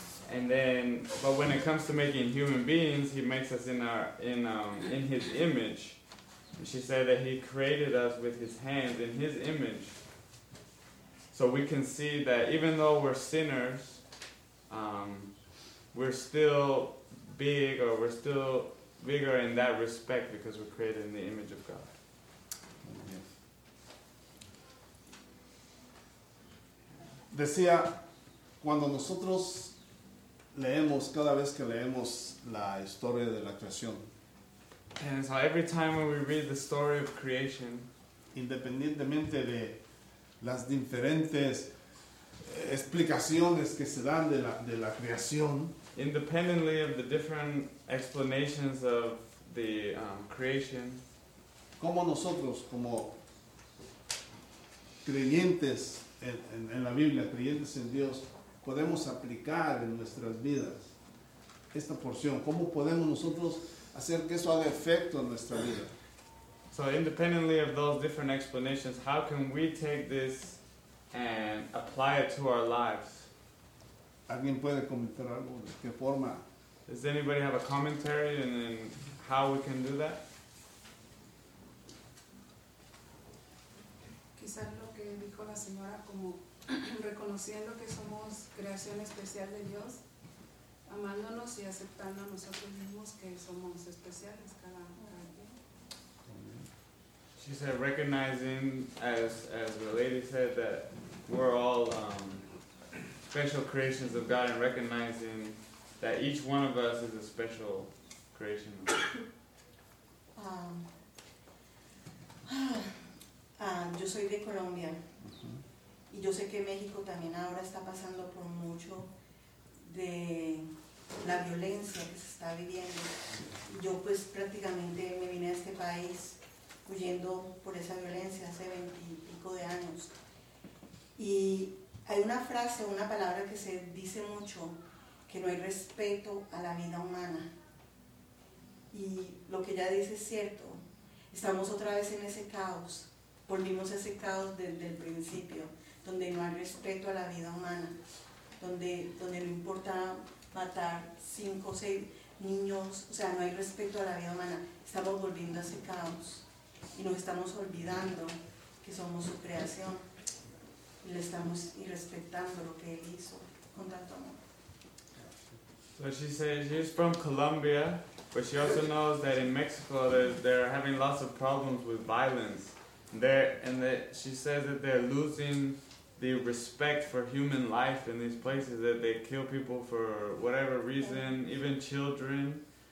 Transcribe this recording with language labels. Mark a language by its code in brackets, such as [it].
[en] And then, but when it comes to making human beings, he makes us in his image. And she said that he created us with his hands in his image. So we can see that even though we're sinners, we're still big, or we're still bigger in that respect because we're created in the image of God. [es] Decía, cuando nosotros leemos, cada vez que leemos la historia de la creación, [en] and so every time when we read the story of creation, [es] independientemente de las diferentes explicaciones que se dan de la creación, [en] independently of the different explanations of the creation, [es] como nosotros, como creyentes en la Biblia, creyentes en Dios, podemos aplicar en nuestras vidas esta porción. ¿Cómo podemos nosotros hacer que eso haga efecto en nuestra vida? [en] So independently of those different explanations, how can we take this and apply it to our lives? [es] ¿Alguien puede comentar algo? ¿De qué forma? [en] Does anybody have a commentary and then how we can do that? [es] Quizás lo que dijo la señora, como reconociendo que somos creación especial de Dios, amándonos y aceptando a nosotros mismos que somos especiales cada día. [en] She said, recognizing, as the lady said, that we're all special creations of God, and recognizing that each one of us is a special creation of God. [es] Yo soy de Colombia, y yo sé que México también ahora está pasando por mucho de la violencia que se está viviendo. Yo pues prácticamente me vine a este país huyendo por esa violencia hace 20 y pico de años. Y hay una frase, una palabra que se dice mucho, que no hay respeto a la vida humana. Y lo que ella dice es cierto, estamos otra vez en ese caos. Volvimos a ese caos desde el principio, donde no hay respeto a la vida humana, donde no importa matar 5 o 6 niños, o sea, no hay respeto a la vida humana. Estamos volviendo a ese caos y nos estamos olvidando que somos su creación y le estamos irrespetando lo que él hizo con tanto amor. [en] So she says she's from Colombia, but she also knows that in Mexico they're having lots of problems with violence. And she says that they're losing the respect for human life in these places, that they kill people for whatever reason, even children.